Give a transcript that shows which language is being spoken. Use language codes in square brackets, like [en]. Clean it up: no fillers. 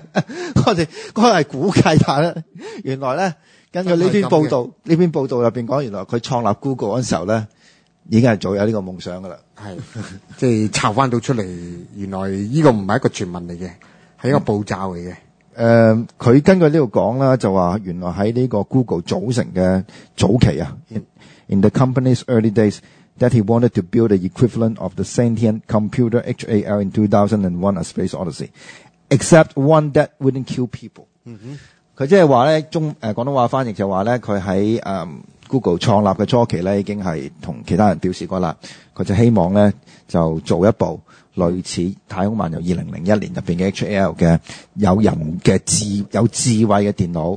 [yue] 我哋係估計下啦，原來呢根據呢篇報道入面講，原來佢創立 Google 嗰時候呢已經係早有呢個夢想㗎喇。即係查返到出嚟，原來呢個唔係一個傳聞嚟嘅，係一個步驟嚟嘅。佢根據呢度講啦，就話原來喺呢個 Google 組成嘅早期啊 [en] ,in the company's early days, that he wanted to build the equivalent of the sentient computer HAL in 2001 A Space Odyssey, except one that wouldn't kill people.、 [yue] 佢即係話呢中廣東話翻譯就話呢佢喺Google 創立嘅初期呢已經係同其他人表示過啦，佢就希望呢就做一部類似太空漫遊2001年入面嘅 HAL 嘅有智慧嘅電腦，